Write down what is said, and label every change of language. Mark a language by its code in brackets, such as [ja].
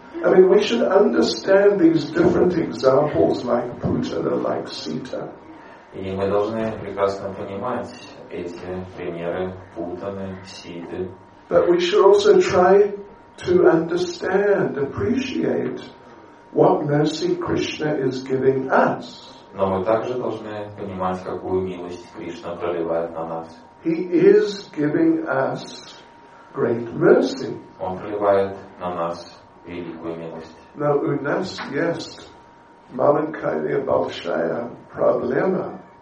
[en] I mean, we should understand these different examples, like Putana, like Sita. [ru] И мы должны прекрасно понимать эти примеры Путаны, Ситы. [en] But we should also try to understand, appreciate. What mercy Krishna is giving us. [ru] Но мы также должны понимать, какую милость Кришна проливает на нас. [en] He is giving us great mercy. [ru] Он проливает на нас великую милость. Now, у нас есть маленькая большая проблема.